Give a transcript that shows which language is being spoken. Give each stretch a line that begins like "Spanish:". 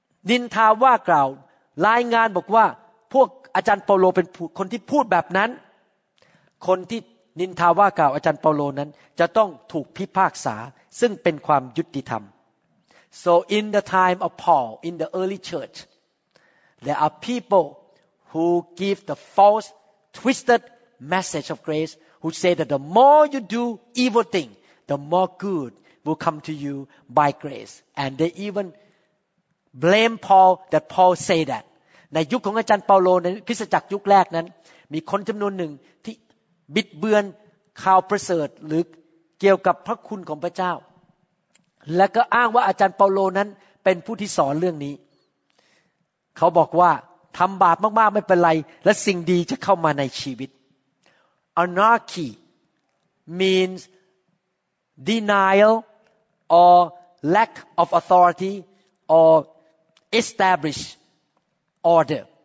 Thai: นินทาว่ากล่าวรายงานบอกว่าพวกอาจารย์เปาโลเป็นคนที่พูดแบบนั้นคนที่นินทาว่ากล่าวอาจารย์เปาโลนั้นจะต้องถูกพิพากษาซึ่งเป็นความยุติธรรม
English: So in the time of Paul in the early church there are people who give the false twisted message of grace who say that the more you do evil thing, the more good will come to you by grace. And they even blame Paul that Paul say that.
Thai: ในยุคของอาจารย์เปาโลในคริสตจักรยุคแรกนั้นมีคนจำนวนหนึ่งที่บิดเบือนข่าวประเสริฐหรือเกี่ยวกับพระคุณของพระเจ้าและก็อ้างว่าอาจารย์เปาโลนั้นเป็นผู้ที่สอนเรื่องนี้เขาบอกว่าทำบาปมากๆไม่เป็นไรและสิ่งดีจะเข้ามาในชีวิต
English: Anarchy means denial or lack of authority or establish order